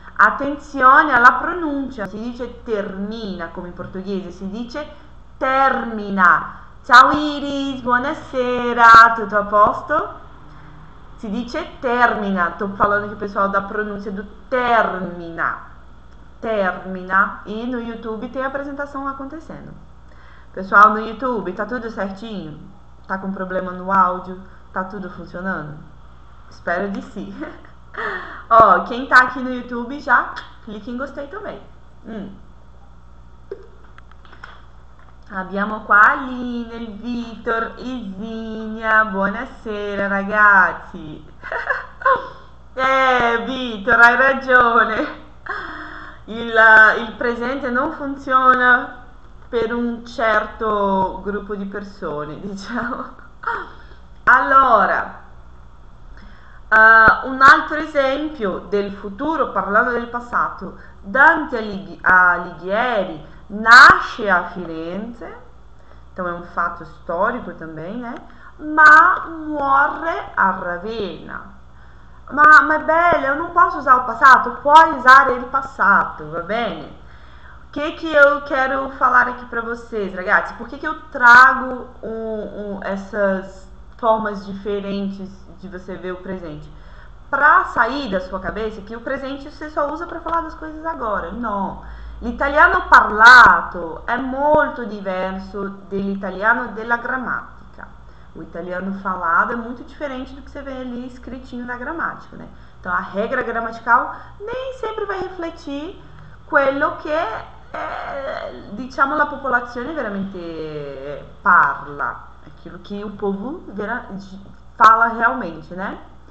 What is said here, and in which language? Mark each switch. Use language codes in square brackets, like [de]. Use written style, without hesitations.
[it] Attenzione alla pronuncia, si dice termina come in portoghese, si dice termina. Ciao Iris, buonasera, tutto a posto? Si dice termina, sto parlando che [pt] pessoal da pronuncia do [it] termina. Termina. [pt] E no YouTube tem a apresentação acontecendo. Pessoal, no YouTube, tá tudo certinho? Tá com problema no áudio? Tá tudo funcionando? Espero de si. Ó, quem tá aqui no YouTube já clica em gostei também. [it] Abbiamo qua Aline, il Vitor, Isinia, buonasera ragazzi. Vitor, hai ragione. Il presente non funziona per un certo gruppo di persone, diciamo. Allora, un altro esempio del futuro, parlando del passato, Dante Alighieri. Nasce a Firenze, então è un fatto storico [pt] também, né? [it] Ma muore a Ravenna. Ma è bello, eu non posso usare o passato, puoi usare il passato, va bene? [pt] Che eu quero falar aqui para vocês, ragazzi? Por que que eu trago essas formas diferentes de você ver o presente? Para sair da sua cabeça que o presente você só usa para falar das coisas agora. Não. [it] L'italiano parlato è molto diverso dell'italiano della grammatica. [pt] O italiano falado [it] è molto differente [pt] do che você vê [it] lì scrittino [pt] na grammatica, né? Então a regra grammaticale nem sempre vai refletir [it] quello che diciamo, la popolazione veramente parla, [pt] aquilo che o povo fala realmente, né?